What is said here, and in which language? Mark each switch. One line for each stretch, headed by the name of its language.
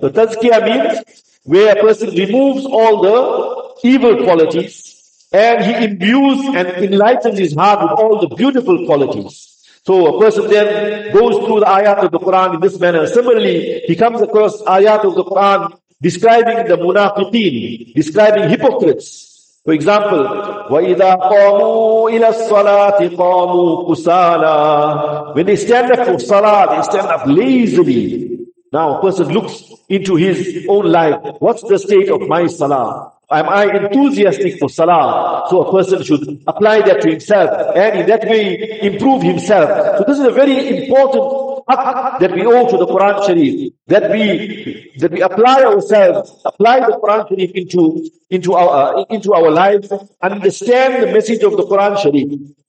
English: So tazkiyah means where a person removes all the evil qualities and he imbues and enlightens his heart with all the beautiful qualities. So a person then goes through the ayat of the Quran in this manner. Similarly, he comes across ayat of the Quran describing the munafiqeen, describing hypocrites. For example,
Arabic: وَإِذَا قَامُوا إِلَى الصَّلَاةِ قَامُوا كُسَالَى.
English: When they stand up for salah, they stand up lazily. Now a person looks into his own life. What's the state of my salah? Am I enthusiastic for salah? So a person should apply that to himself and in that way improve himself. So this is a very important haq that we owe to the Quran Sharif, that we apply ourselves, apply the Quran Sharif into our lives, understand the message of the Quran Sharif.